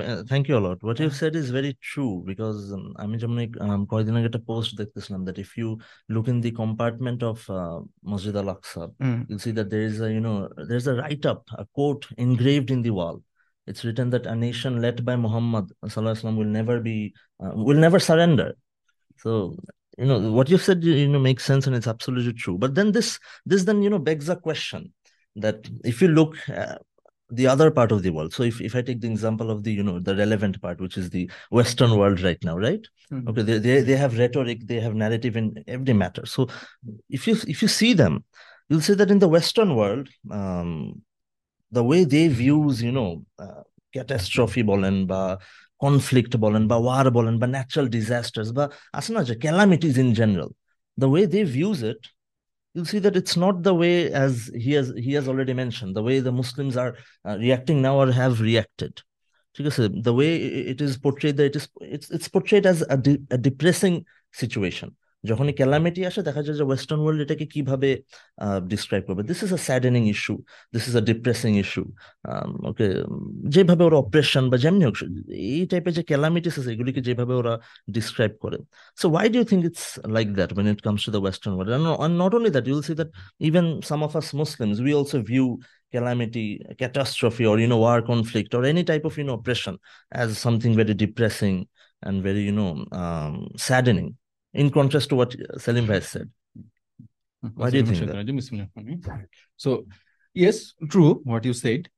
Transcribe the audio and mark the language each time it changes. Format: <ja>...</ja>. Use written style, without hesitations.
<en>thank you lot, what you said is very true, because</en> <bn>আমি যেমন কয়েকদিন আগে একটা পোস্ট দেখতেছিলাম</bn> <en>That if you look in the compartment of মসজিদ Al Aqsa, you see that there is a, you know, there is a write up, a quote engraved in the wall. It's written that a nation led by Muhammad sallallahu alaihi wasallam will never surrender. So, you know, what you said, you know, makes sense and it's absolutely true. But then this then, you know, begs a question that if you look the other part of the world, so if I take the example of the, you know, the relevant part, which is the Western world right now, right? Mm-hmm. Okay, they have rhetoric, they have narrative in every matter. So if you see them, you'll see that in the Western world, the way they views, you know, catastrophe</en> <bn>bolen ba conflict bolen ba war bolen ba</bn> <en>natural disasters</en> <bn>ba asna je</bn> <en>calamities in general, the way they views it, you'll see that it's not the way, as he has already mentioned, the way the Muslims are reacting now or have reacted,</en> <bn>ঠিক আছে?</bn> <en>The way it is portrayed, that it's portrayed as a depressing situation.</en> <bn>যখন calamity আসে দেখা যায় যে western world এটাকে কিভাবে describe করবে,</bn> <en>this is a saddening issue, this is a depressing issue,</en> <bn>ওকে, যেভাবে ওরা অপ্রেশন বা যেমনি হোক এই টাইপের যে ক্যালামিটিস আছে এগুলিকে যেভাবে ওরা ডিসক্রাইব করে,</bn> <en>So why do you think it's like that when it comes to the western world? And not only that, you will see that even some of us Muslims we also view calamity, catastrophe, or you know war conflict or any type of you know oppression as something very depressing and very, you know, saddening, in contrast to what Salim has said. Why do you think that? So, yes, true what you said.</en>